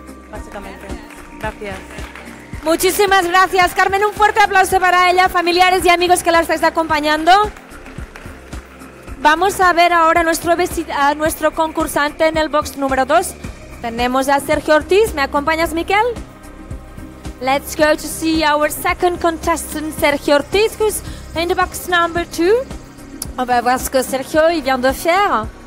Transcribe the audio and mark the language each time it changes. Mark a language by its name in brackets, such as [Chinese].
[Spanish] Básicamente. Gracias. Muchísimas gracias, Carmen. Un fuerte aplauso para ella, familiares y amigos que la estáis acompañando. Vamos a ver ahora a nuestro concursante en el box número 2. Tenemos a Sergio Ortiz. ¿Me acompañas, Miquel? [English] Let's go to see our second contestant, Sergio Ortiz, who's in the box number 2. [French] On va voir ce que Sergio vient de faire.